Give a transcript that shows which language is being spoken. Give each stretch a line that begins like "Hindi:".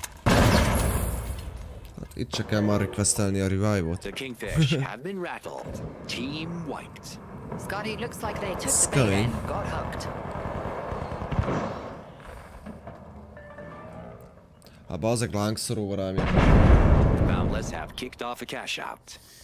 Hungarian: Hát itt csak kell már requestelni a revive-ot.
English: The kingfish have been rattled. Team wiped. Scotty looks like they took the bait and got hooked.
Hungarian: Hát bazeg lángszoró valami.
English: Let's have kicked off a cash out.